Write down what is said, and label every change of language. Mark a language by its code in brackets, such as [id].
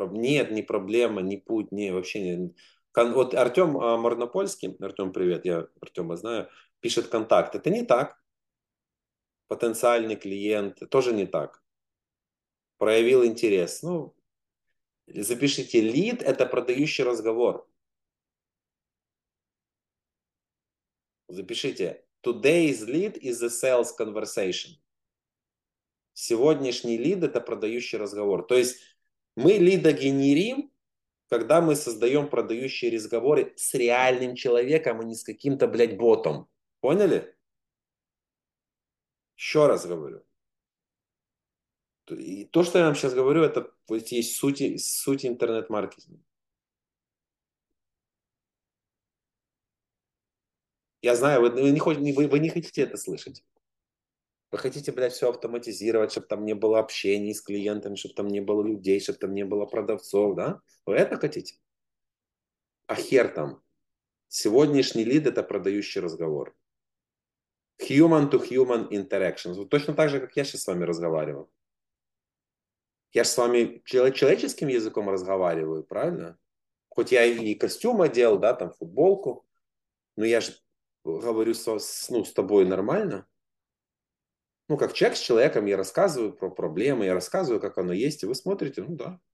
[ru] Нет, не проблема, не путь, не вообще не. Вот Артем Марнопольский, Артем, привет, я Артема знаю, пишет контакт. Это не так. Потенциальный клиент, тоже не так. Проявил интерес. Ну, запишите, лид – это продающий разговор. Запишите, [en] today's lead is a sales conversation. [ru] Сегодняшний лид – это продающий разговор. То есть мы лида генерим, когда мы создаем продающие разговоры с реальным человеком, а не с каким-то, блядь, ботом. Поняли? Еще раз говорю. И то, что я вам сейчас говорю, это вот есть суть интернет-маркетинга. Я знаю, вы не хотите это слышать. Вы хотите, блядь, все автоматизировать, чтобы там не было общений с клиентами, чтобы там не было людей, чтобы там не было продавцов, да? Вы это хотите? А хер там. Сегодняшний лид – это продающий разговор. [en] Human-to-human interactions. [ru] Вот точно так же, как я сейчас с вами разговариваю. Я же с вами человеческим языком разговариваю, правильно? Хоть я и костюм одел, да, там футболку, но я же говорю ну, с тобой нормально. Ну, как человек с человеком, я рассказываю про проблемы, я рассказываю, как оно есть, и вы смотрите, ну да.